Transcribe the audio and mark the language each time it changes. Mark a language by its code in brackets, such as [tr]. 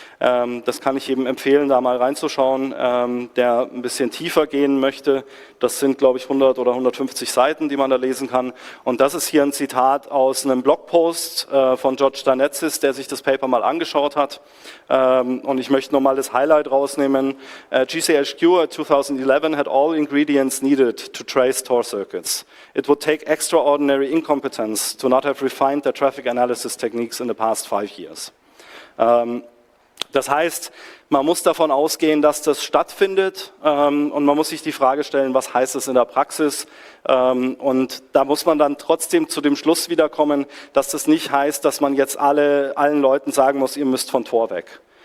[de] Das kann ich eben empfehlen, da mal reinzuschauen, der ein bisschen tiefer gehen möchte. Das sind, glaube ich, 100 oder 150 Seiten, die man da lesen kann. Und das ist hier ein Zitat aus einem Blogpost von George Danetsis, der sich das Paper mal angeschaut hat. Und ich möchte nochmal das Highlight rausnehmen. [en] GCHQ at 2011 had all ingredients needed to trace Tor circuits. It would take extraordinary incompetence to not have refined the traffic analysis techniques in the past 5 years. [de] Das heißt, man muss davon ausgehen, dass das stattfindet, und man muss sich die Frage stellen, was heißt das in der Praxis? Und da muss man dann trotzdem zu dem Schluss wiederkommen, dass das nicht heißt, dass man jetzt allen Leuten sagen muss, ihr müsst von Tor weg.